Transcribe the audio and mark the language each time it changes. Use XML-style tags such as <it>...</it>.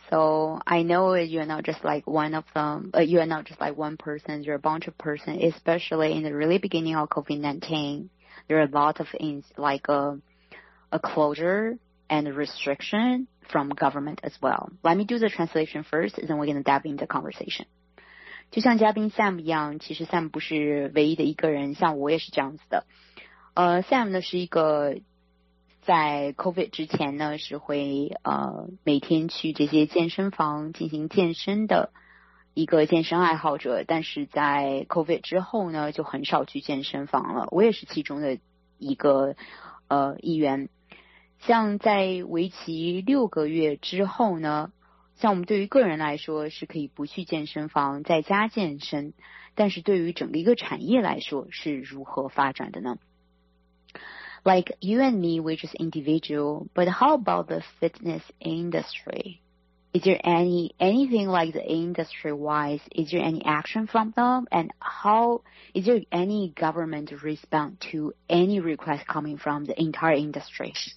<en>So I know you're not just like one of them, but you are not just like one person. You're a bunch of person, especially in the really beginning of COVID-19. There are a lot of a closure and restriction from government as well. Let me do the translation first, and then we're going to dive into the conversation.</en> <zh>就像嘉宾 Sam 一样，其实 Sam 不是唯一的一个人，像我也是这样子的。 Sam 呢是一个在 COVID 之前呢是会每天去这些健身房进行健身的一个健身爱好者，但是在 COVID 之后呢就很少去健身房了。我也是其中的一个一员。像在为期六个月之后呢，像我们对于个人来说是可以不去健身房在家健身，但是对于整个一个产业来说是如何发展的呢？</zh> <en>Like you and me, we're just individual, but how about the fitness industry? Is there anything like the industry wise? Is there any action from them? And how is there any government response to any request coming from the entire industry?</en>